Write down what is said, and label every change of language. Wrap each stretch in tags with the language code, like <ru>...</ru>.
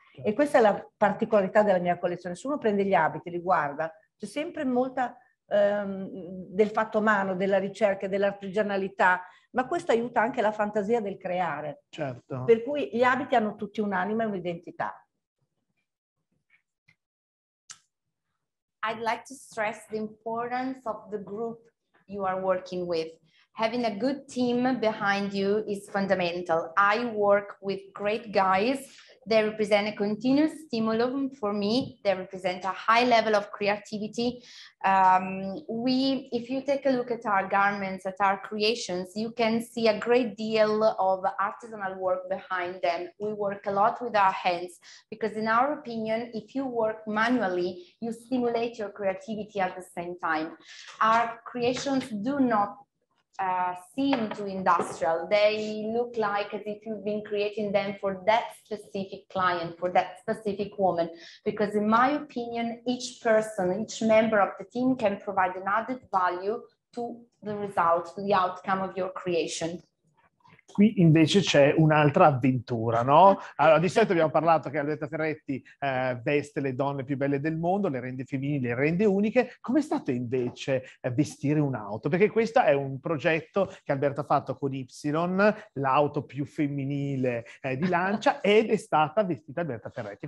<it>Certo. E questa è la particolarità della mia collezione. Se uno prende gli abiti, li guarda, c'è sempre molta del fatto umano, della ricerca, dell'artigianalità, ma questo aiuta anche la fantasia del creare. Certo. Per cui gli abiti hanno tutti un'anima e un'identità.</it> <en>I'd like to stress the importance of the group you are working with. Having a good team behind you is fundamental. I work with great guys. They represent a continuous stimulus for me. They represent a high level of creativity. If you take a look at our garments, at our creations, you can see a great deal of artisanal work behind them. We work a lot with our hands because in our opinion, if you work manually, you stimulate your creativity at the same time. Our creations do not seem too industrial. They look like as if you've been creating them for that specific client, for that specific woman. Because in my opinion, each person, each member of the team can provide an added value to the result, to the outcome of your creation.</en> <it>qui invece c'è un'altra avventura, no? Allora, di solito abbiamo parlato che Alberta Ferretti veste le donne più belle del mondo, le rende femminili, le rende uniche. Com'è stato invece vestire un'auto? Perché questo è un progetto che Alberta ha fatto con Ypsilon, l'auto più femminile di Lancia, ed è stata vestita Alberta Ferretti.</it>